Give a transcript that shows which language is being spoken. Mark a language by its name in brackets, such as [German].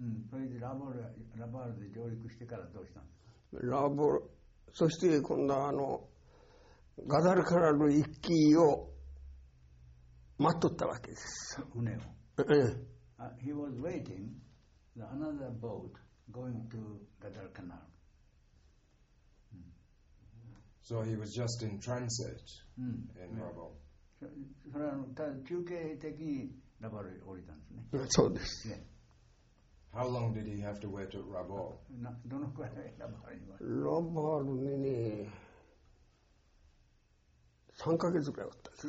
[Japanese] それでラボールで上陸してからどうしたんですか？ラボール、そして今度はガダルカナル一機を待っとったわけです。船を。 [English] He was waiting the another boat going to Guadalcanal. So he was just in transit in Rabaul. [Japanese] それはただ休憩的にラバルに降りたんですね。そうです。 [English] How long did he have to wait at Rabaul? [Japanese] どのくらいラバルに。ラバルにね、3ヶ月くらいだった。